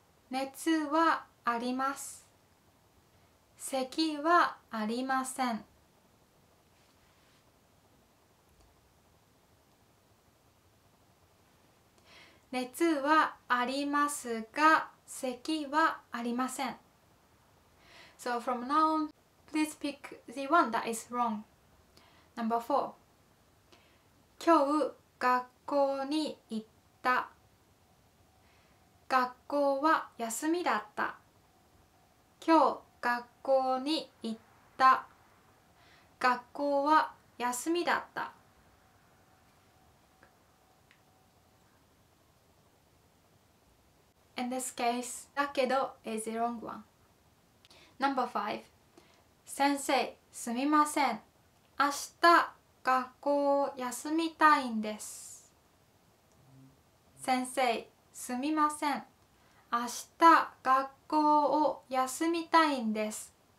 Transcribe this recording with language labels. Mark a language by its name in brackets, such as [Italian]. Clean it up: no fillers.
[Japanese] 熱はあります。咳はありません。熱はありますが、咳はありません。 [English] So from now on, please pick the one that is wrong. Number four. [Japanese] 今日学校に行った。学校は休みだった。今日学校に行った。学校は休みだった。 [English] In this case, だけど is the wrong one. Number five. [Japanese] 先生、すみません。明日、学校を休みたいんです。先生、すみません。明日、学校を休みたいんです。